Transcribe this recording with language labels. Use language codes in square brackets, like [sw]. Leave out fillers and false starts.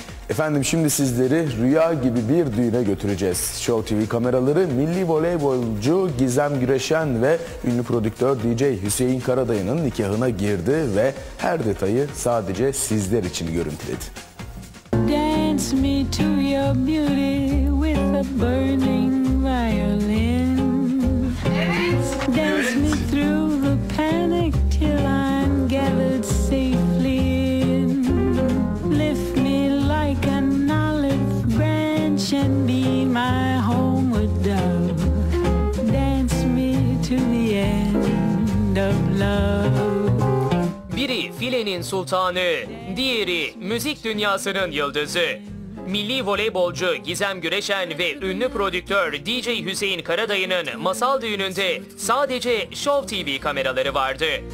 [tr] Efendim şimdi sizleri rüya gibi bir düğüne götüreceğiz. Show TV kameraları milli voleybolcu Gizem Güreşen ve ünlü prodüktör DJ Hüseyin Karadayı'nın nikahına girdi ve her detayı sadece sizler için görüntüledi. [en] Dance me to your beauty with a burning violin. [tr] Evet. [en] Dance [tr] evet. [en] Me through the panic till I'm gathered safely in. Lift me like an olive branch and be my homeward dove. Dance me to the end of love. [tr] Biri filenin sultanı, diğeri müzik dünyasının yıldızı. Milli voleybolcu Gizem Güreşen ve ünlü prodüktör DJ Hüseyin Karadayı'nın masal düğününde sadece Show TV kameraları vardı.